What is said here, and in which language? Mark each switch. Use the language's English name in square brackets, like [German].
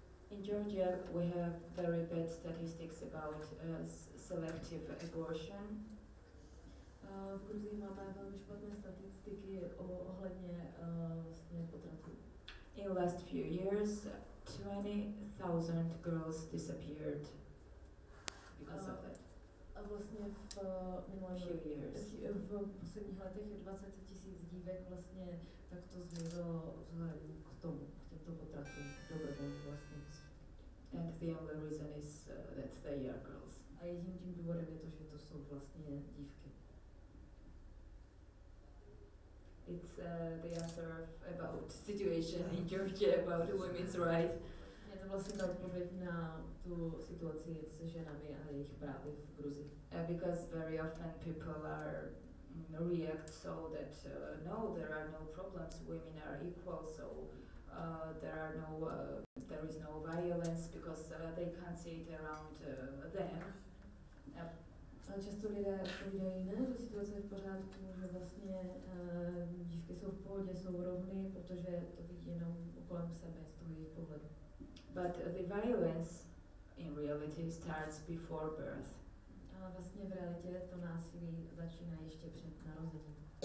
[English] In Georgia, we have very bad statistics about selective abortion. [Czech] V Gruzii máme velmi špatné statistiky ohledně potratů. [English] In the last few years, 20,000 girls disappeared because of that. [Czech] A vlastně v minulých letech, v posledních letech 20 tisíc dívek vlastně takto zmizelo vzhledem k tomu, k těmto potratům, dobrovolně vlastně. [English] And the only reason is that they are girls. [Czech] A jediným tím důvodem je to, že to jsou vlastně dívky. [English] It's the answer about situation in Georgia about women's rights. [Czech] Je to vlastně ta odpověď na tu situaci s ženami a jejich právy v Gruzii. [English] Because very often people are react so that no, there are no problems, women are equal, so there are no there is no violence because they can't see it around them. [Czech] A často lidé odpovídají ne, že situace je v pořádku, že vlastně dívky jsou v pohodě, jsou rovny, protože to vidí jenom kolem sebe, z toho jejich pohledu. [English] But the violence in reality starts before birth. [Czech] A vlastně v realitě to násilí začíná ještě před narozením.